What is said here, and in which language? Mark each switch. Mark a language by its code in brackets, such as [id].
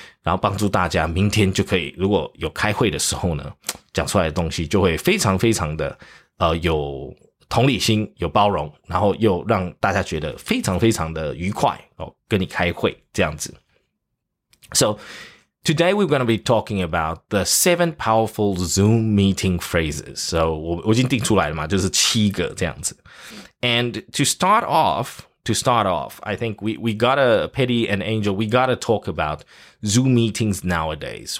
[zh] 然后帮助大家明天就可以，如果有开会的时候呢讲出来的东西就会非常非常的有同理心，有包容，然后又让大家觉得非常非常的愉快哦，跟你开会这样子。 [en] So,Today we're going to be talking about the 7 powerful Zoom meeting phrases. [zh] So, 我已经定出来了嘛，就是七个这样子。 [en] And to start off, I think we gotta, Paddy and Angel, we gotta talk about Zoom meetings nowadays.